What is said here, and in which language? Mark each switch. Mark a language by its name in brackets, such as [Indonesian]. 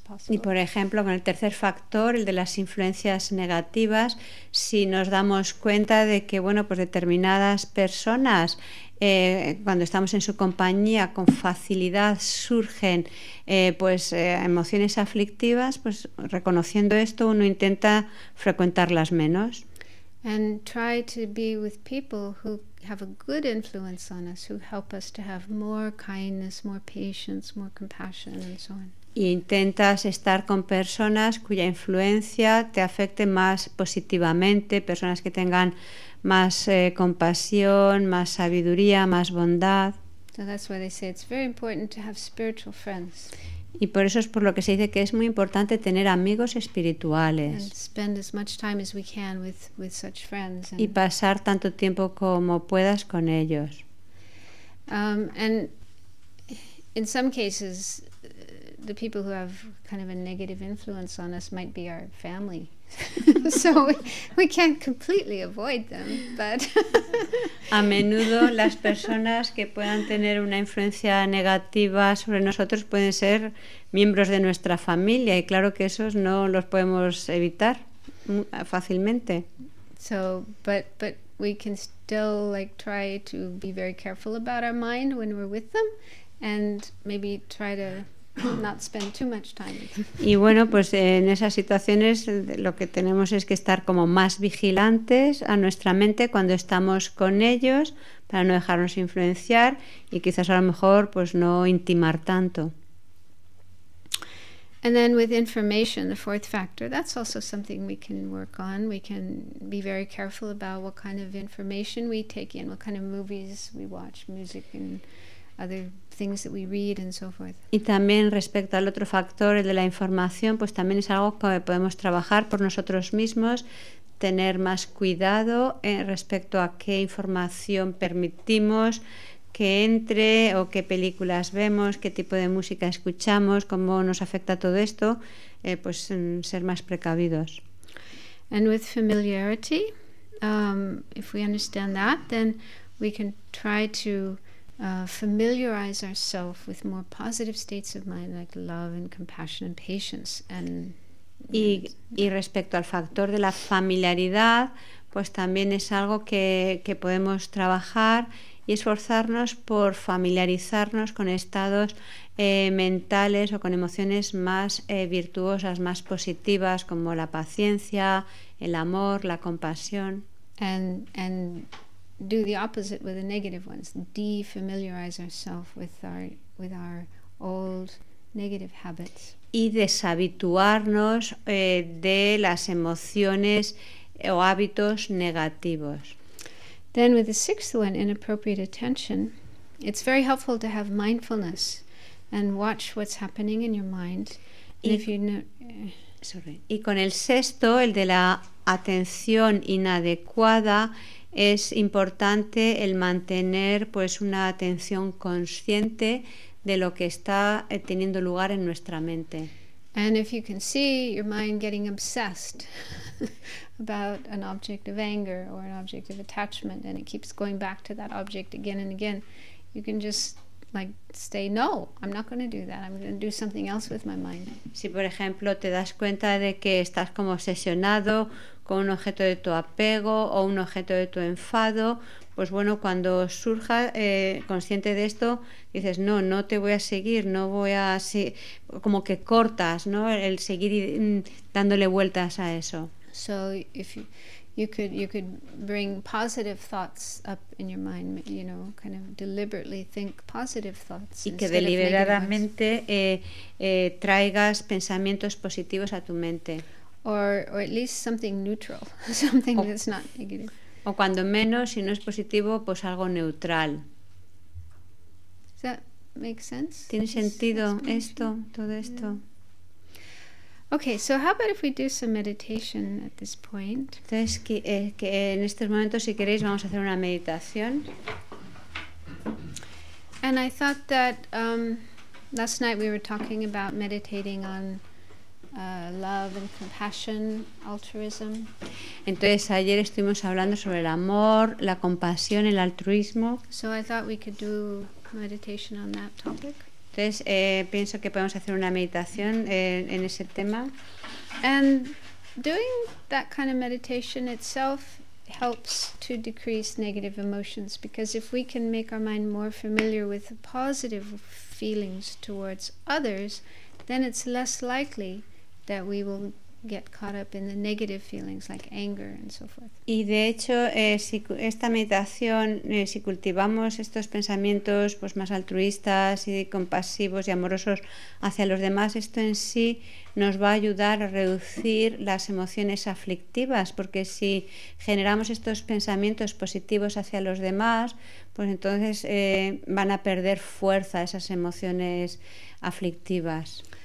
[Spanish] Y por ejemplo, con el tercer factor, el de las influencias negativas, si nos damos cuenta de que, bueno, pues determinadas personas, cuando estamos en su compañía, con facilidad surgen emociones aflictivas, pues reconociendo esto, uno intenta frecuentarlas menos. [English] And try to be with people who have a good influence on us, who help us to have more kindness, more patience, more compassion, and so on. [Spanish] intentas estar con personas cuya influencia te afecte más positivamente, personas que tengan más compasión, más sabiduría, más bondad. [English] So that's why they say it's very important to have spiritual friends. [Spanish] Y por eso es por lo que se dice que es muy importante tener amigos espirituales. [English] And spend as much time as we can with such friends. [Spanish] Y pasar tanto tiempo como puedas con ellos. [English] And in some cases, the people who have kind of a negative influence on us might be our family. So we can't completely avoid them, but [Spanish] a menudo las personas que puedan tener una influencia negativa sobre nosotros pueden ser miembros de nuestra familia, y claro que esos no los podemos evitar fácilmente. [English] So but we can still like try to be very careful about our mind when we're with them and maybe try to not spend too much time. [Spanish] Y bueno, pues en esas situaciones lo que tenemos es que estar como más vigilantes a nuestra mente cuando estamos con ellos, para no dejarnos influenciar y quizás a lo mejor pues no intimar tanto. [English] And then with information, the fourth factor, that's also something we can work on. We can be very careful about what kind of information we take in, what kind of movies we watch, music and other things that we read and so forth. [Spanish] Y también respecto al otro factor, el de la información, pues también es algo que podemos trabajar por nosotros mismos, tener más cuidado respecto a qué información permitimos que entre o qué películas vemos, qué tipo de música escuchamos, cómo nos afecta todo esto, pues ser más precavidos. [English] And with familiarity, if we understand that, then we can try to familiarize ourselves with more positive states of mind like love and compassion and patience. And [Spanish] y respecto al factor de la familiaridad, pues también es algo que podemos trabajar y esforzarnos por familiarizarnos con estados mentales o con emociones más virtuosas, más positivas, como la paciencia, el amor, la compasión. [English] And do the opposite with the negative ones, defamiliarize ourselves with our old negative habits. [Spanish] Y deshabituarnos de las emociones o hábitos negativos. [English] Then with the sixth one, inappropriate attention, it's very helpful to have mindfulness and watch what's happening in your mind. [Spanish] Y con el sexto, el de la atención inadecuada, es importante el mantener pues una atención consciente de lo que está teniendo lugar en nuestra mente. [English] And if you can see your mind getting obsessed about an object of anger or an object of attachment and it keeps going back to that object again and again, you can just like say no, I'm not going to do that. I'm going to do something else with my mind. [Spanish] Si por ejemplo te das cuenta de que estás como obsesionado con un objeto de tu apego o un objeto de tu enfado, pues bueno, cuando surja consciente de esto, dices no, no te voy a seguir, no voy a como que cortas, ¿no? El seguir dándole vueltas a eso. [English] So if you could bring positive thoughts up in your mind, you know, kind of deliberately think positive thoughts. [Spanish] Y que deliberadamente traigas pensamientos positivos a tu mente. [English] Or at least something neutral, something that's not negative. [Spanish] O cuando menos, si no es positivo, pues algo neutral. [English] Does that make sense? [Spanish] ¿Tiene sentido esto, todo esto? [English] Yeah. Okay, so how about if we do some meditation at this point? [Spanish] Entonces, que en estos momentos, si queréis, vamos a hacer una meditación. [English] And I thought that last night we were talking about meditating on love and compassion, altruism. [Spanish] Entonces ayer estuvimos hablando sobre el amor, la compasión, el altruismo. [English] So I thought we could do meditation on that topic. [Spanish] Entonces pienso que podemos hacer una meditación en ese tema. [English] And doing that kind of meditation itself helps to decrease negative emotions, because if we can make our mind more familiar with positive feelings towards others, then it's less likely that we will get caught up in the negative feelings like anger and so forth. [Spanish] Y de hecho, si esta meditación, si cultivamos estos pensamientos pues más altruistas y compasivos y amorosos hacia los demás, esto en sí nos va a ayudar a reducir las emociones aflictivas, porque si generamos estos pensamientos positivos hacia los demás, pues entonces van a perder fuerza esas emociones aflictivas.